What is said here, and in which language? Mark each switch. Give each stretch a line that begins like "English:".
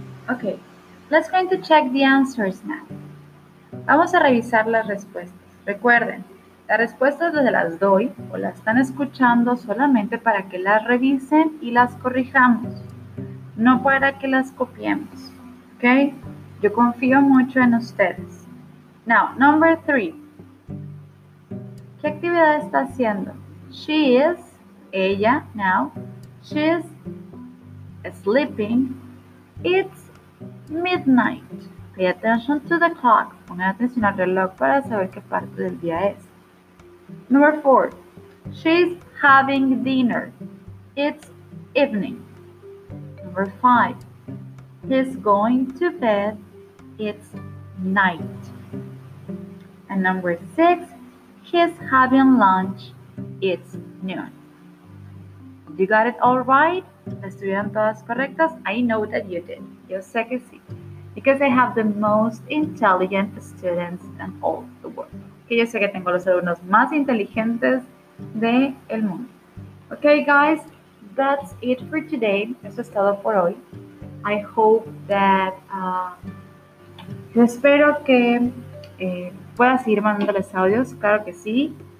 English: Okay, let's going to check the answers now.
Spanish: Vamos a revisar las respuestas. Recuerden, las respuestas desde las doy o las están escuchando solamente para que las revisen y las corrijamos, no para que las copiemos. Okay? Yo confío mucho en ustedes.
English: Now, number 3.
Spanish: ¿Qué actividad está haciendo?
English: She is, ella, now, she is sleeping, it's midnight. Pay attention to the clock.
Spanish: Pongan atención al reloj para saber qué parte del día es.
English: Number 4. She's having dinner. It's evening. Number 5. He's going to bed. It's night. And number 6. He's having lunch. It's noon. You got it all right?
Spanish: ¿Estuvieron todas correctas?
English: I know that you did.
Spanish: Yo sé que sí.
English: Because I have the most intelligent students in all the world.
Spanish: Que yo sé que tengo los alumnos más inteligentes del mundo.
English: Okay, guys, that's it for today.
Spanish: Eso es todo por hoy.
English: I hope that...
Spanish: yo espero que pueda seguir mandándoles audios. Claro que sí.